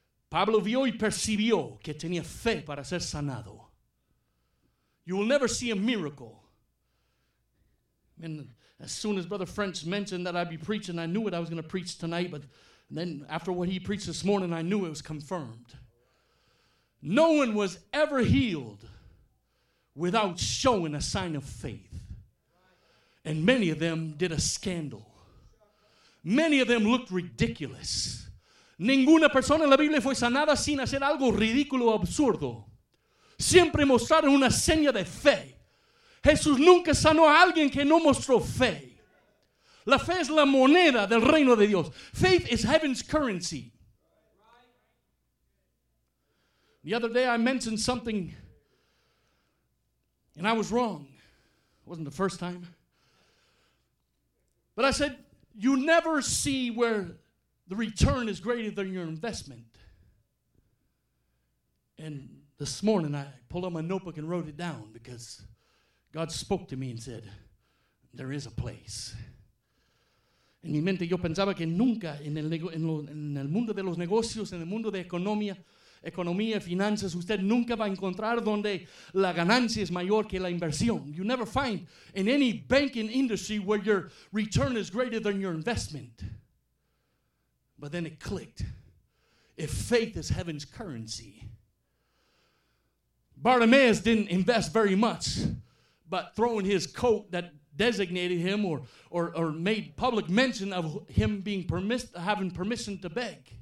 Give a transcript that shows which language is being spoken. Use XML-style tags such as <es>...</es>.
<es>Pablo vio y percibió que tenía fe para ser sanado.</es> <en>You will never see a miracle. As soon as Brother French mentioned that I'd be preaching, I knew what I was going to preach tonight. But then after what he preached this morning, I knew it was confirmed. No one was ever healed without showing a sign of faith. And many of them did a scandal. Many of them looked ridiculous.</en> <es>Ninguna persona en la Biblia fue sanada sin hacer algo ridículo o absurdo. Siempre mostraron una seña de fe. Jesús nunca sanó a alguien que no mostró fe. La fe es la moneda del reino de Dios.</es> <en>Faith is heaven's currency. The other day I mentioned something and I was wrong. It wasn't the first time. But I said, you never see where the return is greater than your investment. And this morning I pulled out my notebook and wrote it down because God spoke to me and said, there is a place.</en> <es>En mi mente yo pensaba que nunca en el mundo de los negocios, en el mundo de economía, finanzas, usted nunca va a encontrar donde la ganancia es mayor que la inversión.</es> <en>You never find in any banking industry where your return is greater than your investment. But then it clicked. If faith is heaven's currency. Bartimaeus didn't invest very much, but throwing his coat that designated him or made public mention of him being having permission to beg.</en>